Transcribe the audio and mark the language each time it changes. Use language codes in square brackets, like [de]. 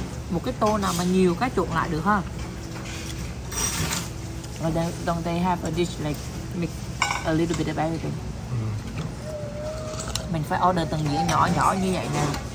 [vi] Một cái tô nào mà nhiều cái trộn lại được ha. [en] Don't they have a dish like mix a little bit of everything? [vi] Mình phải order từng dĩa nhỏ nhỏ như vậy nè.